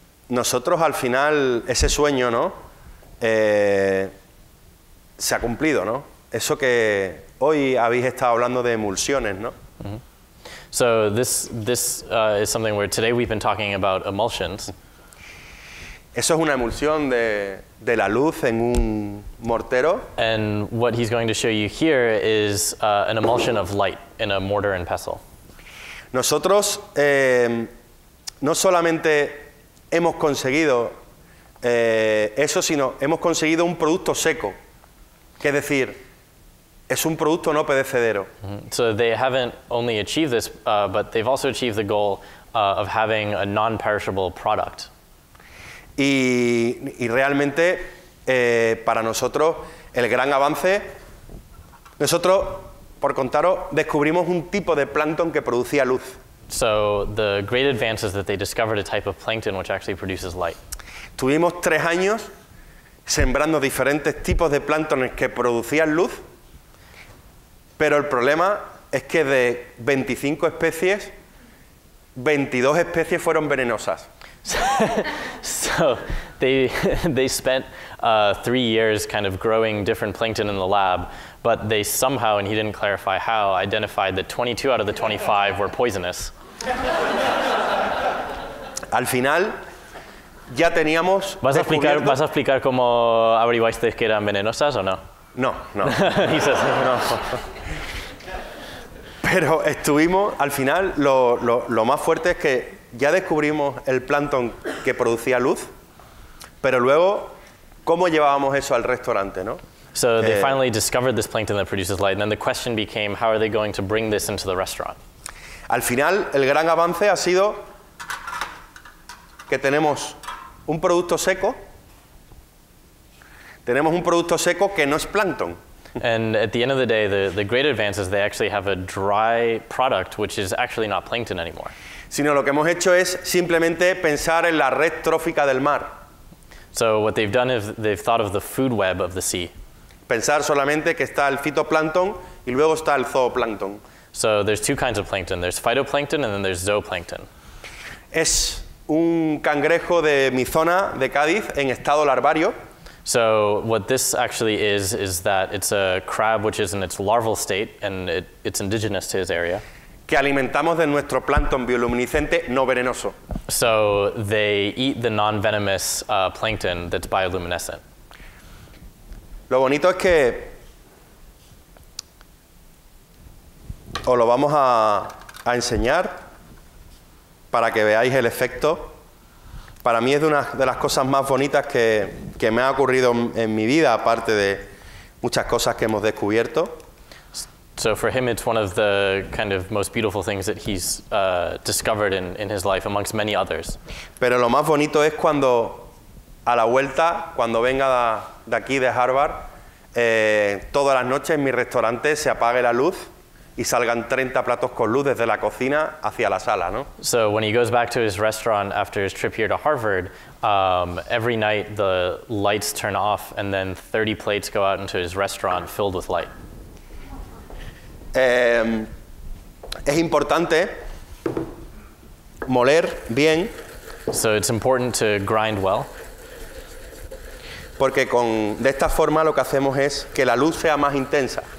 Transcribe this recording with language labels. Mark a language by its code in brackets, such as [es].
[es] Nosotros al final, ese sueño, ¿no? Se ha cumplido, ¿no? Eso que hoy habéis estado hablando de emulsiones, ¿no? Mm-hmm. [en] So this is something where today we've been talking about emulsions. [es] Eso es una emulsión de la luz en un mortero. [en] And what he's going to show you here is an emulsion of light in a mortar and pestle. [es] Nosotros no solamente hemos conseguido eso, sino hemos conseguido un producto seco. Es decir, es un producto no perecedero. Mm-hmm. [en] So they haven't only achieved this, but they've also achieved the goal of having a non-perishable product. [es] Y realmente, para nosotros, el gran avance, nosotros, por contaros, descubrimos un tipo de plancton que producía luz. [en] So, the great advance is that they discovered a type of plankton which actually produces light. [es] Tuvimos 3 años sembrando diferentes tipos de plancton que producían luz, pero el problema es que de 25 especies, 22 especies fueron venenosas. [en] So they spent 3 years kind of growing different plankton in the lab, but they somehow, and he didn't clarify how, identified that 22 out of the 25 were poisonous. [es] Al final, ya teníamos. ¿Vas a explicar cómo averiguaste que eran venenosas o no? No, no. [en] He says no. No. [es] Pero estuvimos, al final, lo más fuerte es que ya descubrimos el plancton que producía luz, pero luego, ¿cómo llevábamos eso al restaurante, no? [en] So they finally discovered this plankton that produces light, and then the question became, how are they going to bring this into the restaurant? [es] Al final, el gran avance ha sido que tenemos un producto seco. Tenemos un producto seco que no es plancton. [en] And at the end of the day, the great advance is they actually have a dry product, which is actually not plankton anymore. [es] Sino lo que hemos hecho es simplemente pensar en la red trófica del mar. [en] So what they've done is they've thought of the food web of the sea. [es] Pensar solamente que está el fitoplancton y luego está el zooplancton. [en] So there's two kinds of plankton. There's phytoplankton and then there's zooplankton. [es] Es un cangrejo de mi zona de Cádiz en estado larvario. [en] So what this actually is that it's a crab which is in its larval state and it's indigenous to his area. [es] Que alimentamos de nuestro plancton bioluminiscente no venenoso. [en] So they eat the non-venomous plankton that's bioluminescent. [es] Lo bonito es que os lo vamos a enseñar para que veáis el efecto. Para mí es de las cosas más bonitas que me ha ocurrido en mi vida, aparte de muchas cosas que hemos descubierto. [en] So for him, it's one of the kind of most beautiful things that he's discovered in his life, amongst many others. [es] Pero lo más bonito es cuando, a la vuelta, cuando venga de aquí, de Harvard, todas las noches en mi restaurante se apague la luz y salgan 30 platos con luz desde la cocina hacia la sala, ¿no? [en] So when he goes back to his restaurant after his trip here to Harvard, every night the lights turn off and then 30 plates go out into his restaurant filled with light. [es] Es importante moler bien. [en] So it's important to grind well. [es] Porque con, de esta forma lo que hacemos es que la luz sea más intensa.